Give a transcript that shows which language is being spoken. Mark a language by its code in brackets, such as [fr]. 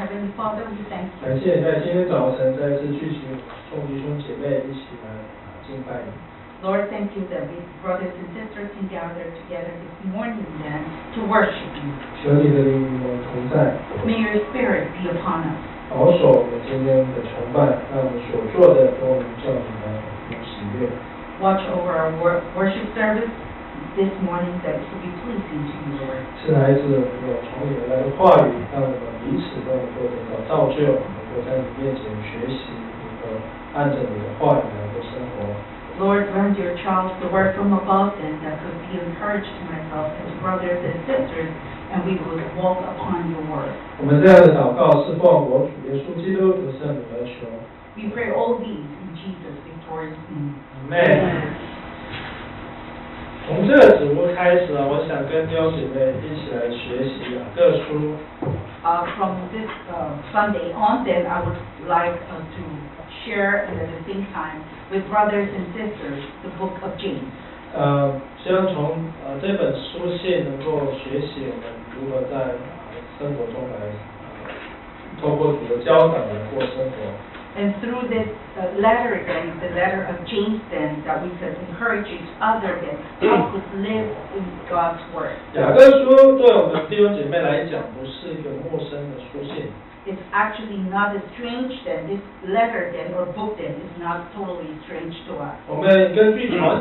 [zh] 感谢你在今天早晨再次聚集众弟兄姐妹一起来敬拜你。 [en] Lord, thank you that we brothers and sisters can gather together this morning then to worship you. [zh] 求你的灵与我们同在。 [en] May your spirit be upon us. [zh] 保守我们今天的崇拜，让我们所做的都能叫你们有喜悦。 [en] Watch over our worship service this morning that it will be pleasing to you, Lord. [zh] 是来自我们从你而来的话语，让我们彼此都能够得到造就。 [en] Lord, lend your child the word from above and that could be encouraged to myself as brothers and sisters, and we would walk upon your word. We pray all these in Jesus' victorious name. Amen. [zh] 从这个职务开始，我想跟弟兄姐妹一起来学习雅各书。 [en] From this Sunday on, then I would like to share at the same time with brothers and sisters the book of James. [zh] 希望从这本书信能够学习我们如何在生活中来透过主的教导来过生活。 [en] And through this letter, then the letter of James, then that we can encourage each other, then help us live in God's word. [zh] 雅各书对我们弟兄姐妹来讲不是一个陌生的书信。 [en] It's actually not a strange, then this letter, then or book, then is not totally strange to us.